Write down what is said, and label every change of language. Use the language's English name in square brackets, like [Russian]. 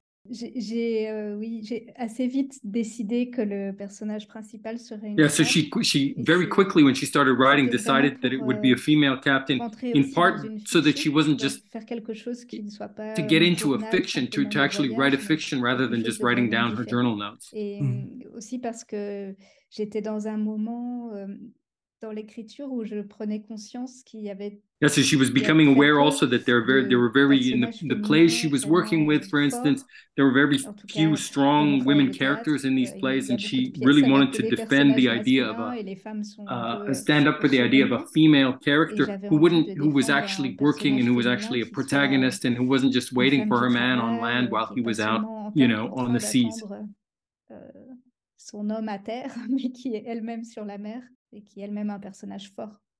[French] J'ai assez vite décidé que le personnage principal serait une femme. [English] So she very quickly, when she started writing, decided that it would be a female captain, in part so that she wasn't just to get into a fiction, to actually write a fiction rather than just writing down her journal notes. [French] Et aussi parce que j'étais dans un moment dans l'écriture où je prenais conscience qu'il y avait. [English] Yeah, so she was becoming aware also that there were very, in the plays she was working with, for instance, there were very few strong women characters in these plays, and she really wanted to defend the idea of stand up for the idea of a female character who was actually working and who was actually a protagonist and who wasn't just waiting for her man on land while he was out, you know, on the seas. [French] Son homme à terre, mais qui est elle-même sur la mer et qui est elle-même un personnage fort.